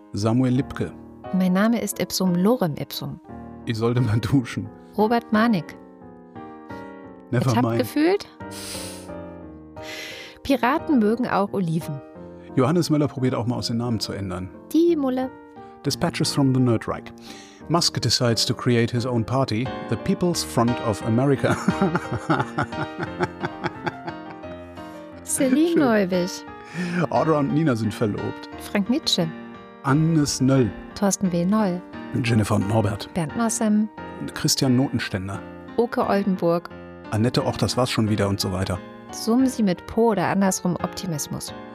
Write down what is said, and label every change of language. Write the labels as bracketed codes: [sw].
[de] Samuel Lipke. Mein Name ist Ipsum Lorem Ipsum. Ich sollte mal duschen. Robert Manik. [en] Never mind. [de] Gefühlt? Piraten mögen auch Oliven. Johannes Möller probiert auch mal aus den Namen zu ändern. Die Mulle. [en] Dispatches from the Nerdreich. Musk decides to create his own party, the People's Front of America. [de] Celine Schön. Neuwig. Audra und Nina sind verlobt. Frank Nitsche. Agnes Nöll. Thorsten W. Noll. Jennifer und Norbert. Bernd Nossem. Christian Notenständer. Oke Oldenburg. Annette Och, das war's schon wieder und so weiter. Sumsi mit Po oder andersrum Optimismus.